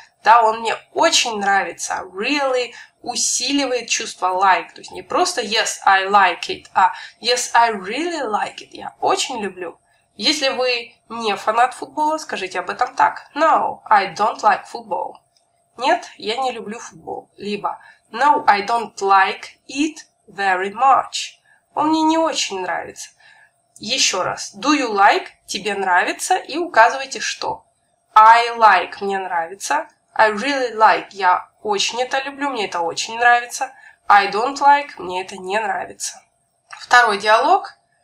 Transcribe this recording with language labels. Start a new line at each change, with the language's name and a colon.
Russian: Да, он мне очень нравится, really усиливает чувство like. То есть не просто
English: yes, I like it,
Russian: а
English: yes, I really like it,
Russian: я очень люблю. Если вы не фанат футбола, скажите об этом так.
English: No, I don't like football.
Russian: Нет, я не люблю футбол.
English: Либо no, I don't like it very much.
Russian: Он мне не очень нравится. Еще раз,
English: do you like,
Russian: тебе нравится, и указывайте что.
English: I like,
Russian: мне нравится.
English: I really like,
Russian: я очень это люблю, мне это очень нравится.
English: I don't like,
Russian: мне это не нравится. Второй диалог.